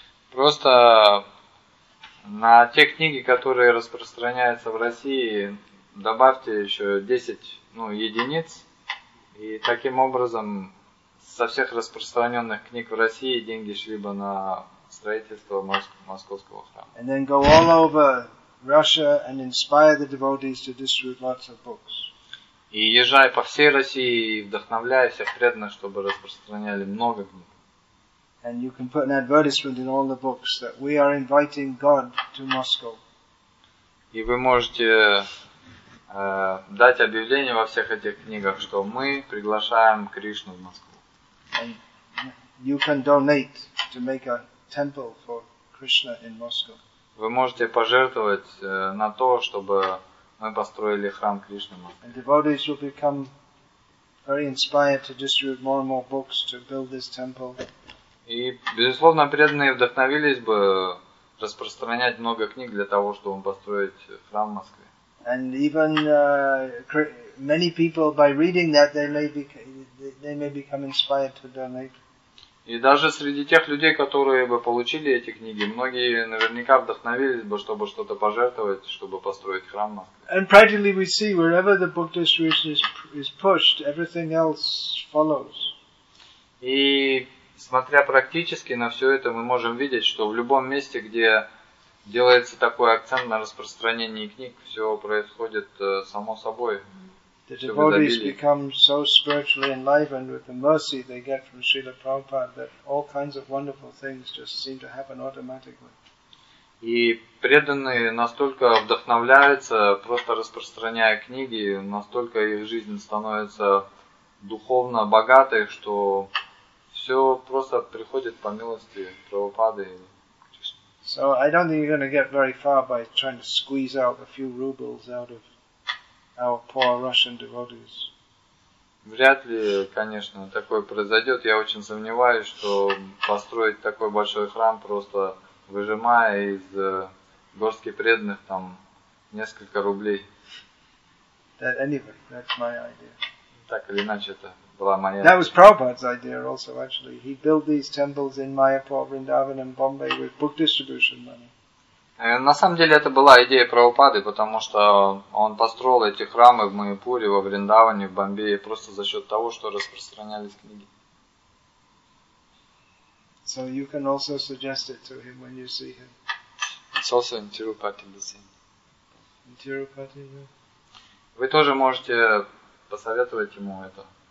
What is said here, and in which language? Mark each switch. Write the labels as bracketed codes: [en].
[ru] Просто на те книги, которые распространяются в России, добавьте еще 10, ну, единиц и таким образом со всех распространенных книг в России деньги шли бы на строительство московского храма. [en] And then go all over Russia and inspire the devotees to distribute lots of books. [ru] И езжай по всей России и вдохновляй всех преданных, чтобы распространяли много книг. [en] And you can put an advertisement in all the books that we are inviting God to Moscow. [ru] И вы можете дать объявление во всех этих книгах, что мы приглашаем Кришну в Москву. [en] And you can donate to make a temple for Krishna in Moscow. [ru] Вы можете пожертвовать на то, чтобы мы построили храм Кришны в Москве. [en] And devotees will become very inspired to just read more and more books to build this temple. [ru] И, безусловно, преданные вдохновились бы распространять много книг для того, чтобы построить храм в Москве. [en] And even many people by reading that they may become inspired to donate. [ru] И даже среди тех людей, которые бы получили эти книги, многие наверняка вдохновились бы, чтобы что-то пожертвовать, чтобы построить храм в Москве. [en] And practically we see wherever the book distribution is pushed, everything else follows. [ru] И смотря практически на все это, мы можем видеть, что в любом месте, где делается такой акцент на распространении книг, все происходит само собой. [en] The devotees become so spiritually enlivened with the mercy they get from Srila Prabhupada that all kinds of wonderful things just seem to happen automatically. [ru] И преданные настолько вдохновляются, просто распространяя книги, настолько их жизнь становится духовно богатой, что все просто приходит по милости Прабхупады. [en] So I don't think you're going to get very far by trying to squeeze out a few rubles out of our poor Russian devotees. [ru] Вряд ли, конечно, такое произойдет. Я очень сомневаюсь, что построить такой большой храм, просто выжимая из горстки преданных там несколько рублей. [en] That anyway, that's my idea. [ru] Так или иначе, это была моя. [en] That was Prabhupada's idea also, actually. He built these temples in Mayapur, Vrindavan and Bombay with book distribution money. [ru] На самом деле это была идея Прабхупады, потому что он построил эти храмы в Майяпуре, во Вриндаване, в Бомбее просто за счет того, что распространялись книги. [en] So you can also suggest it to him when you see him. It's also in Tirupati the same. In Tirupati, yeah. [ru] Вы тоже можете посоветовать ему это.